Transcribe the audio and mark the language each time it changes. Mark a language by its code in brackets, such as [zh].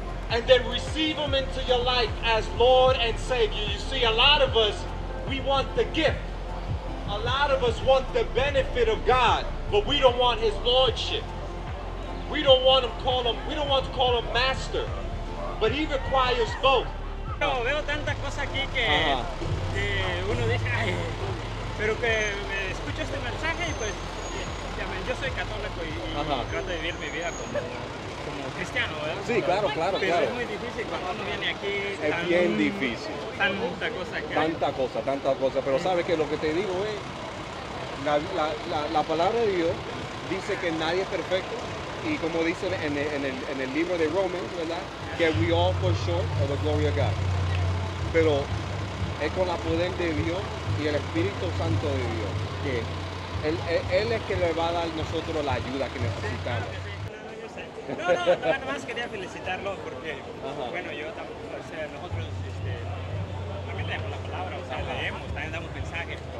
[en] And then receive him into your life as Lord and Savior. You see, a lot of us, we want the gift. A lot of us want the benefit of God, but we don't want his lordship. We don't want him call him, we don't want to call him master, but he requires both. [es] Veo tanta cosa aquí que uno deja, pero que me escucho este mensaje y pues yo soy católico y trato de vivir mi vida como cristiano, ¿verdad? Sí, claro, claro, pero claro. Es muy difícil cuando uno viene aquí. Es tan, bien difícil. Tanta cosa que tanta hay. Cosa, tanta cosa. Pero sabes que lo que te digo es, la palabra de Dios dice que nadie es perfecto. Y como dice en el libro de Romans, ¿verdad? [en] Que we all fall short of the glory of God. [es] Pero es con la poder de Dios y el Espíritu Santo de Dios. Que él es que le va a dar nosotros la ayuda que necesitamos. Sí, claro, yo sé. Nada más quería felicitarlo porque, bueno, yo tampoco, o sea, nosotros también tenemos la palabra, o sea, leemos, también damos mensajes.